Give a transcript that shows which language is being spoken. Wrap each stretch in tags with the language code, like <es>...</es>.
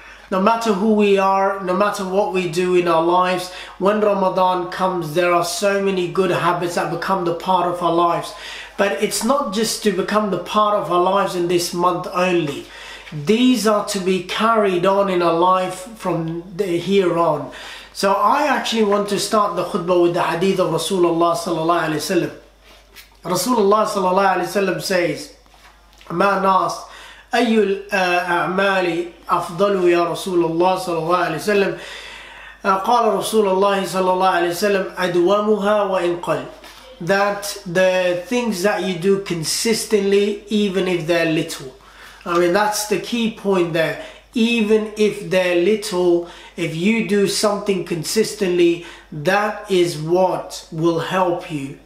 <en>No matter who we are, no matter what we do in our lives, when Ramadan comes, there are so many good habits that become the part of our lives. But it's not just to become the part of our lives in this month only. These are to be carried on in our life from here on. So I actually want to start the khutbah with the hadith of Rasulullah sallallahu alaihi wasallam. Rasulullah sallallahu alaihi wasallam says, "Man asked,</en> <ar>أَيُّ الْأَعْمَالِ أَفْضَلُ يَا رَسُولَ اللَّهِ صَلَى اللَّهِ عَلَيْهِ وَسَلَّمَ قَالَ رَسُولَ اللَّهِ صَلَى اللَّهِ عَلَيْهِ وَسَلَّمَ أَدْوَامُهَا وَإِنْ قَلَّ.</ar> <en>That the things that you do consistently, even if they're little. I mean, that's the key point there. Even if they're little, if you do something consistently, that is what will help you.</en>